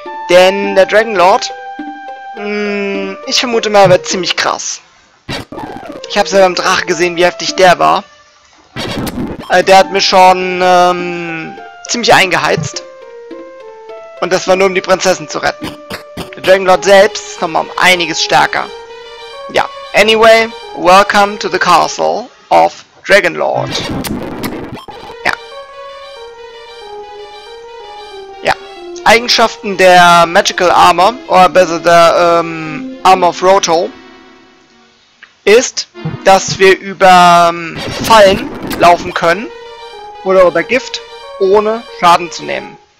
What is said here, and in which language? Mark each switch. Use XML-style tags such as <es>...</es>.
<de>Denn der Dragon Lord, ich vermute mal, wird ziemlich krass. Ich habe selber im Drache gesehen, wie heftig der war. Der hat mir schon ziemlich eingeheizt. Und das war nur, um die Prinzessin zu retten. Der Dragon Lord selbst ist nochmal um einiges stärker.</de> <en>Ja, anyway, welcome to the castle of Dragon Lord.</en> <de>Ja. Ja, Eigenschaften der Magical Armor, oder besser der Armor of Roto, ist, dass wir über Fallen laufen können, oder über Gift, ohne Schaden zu nehmen.</de>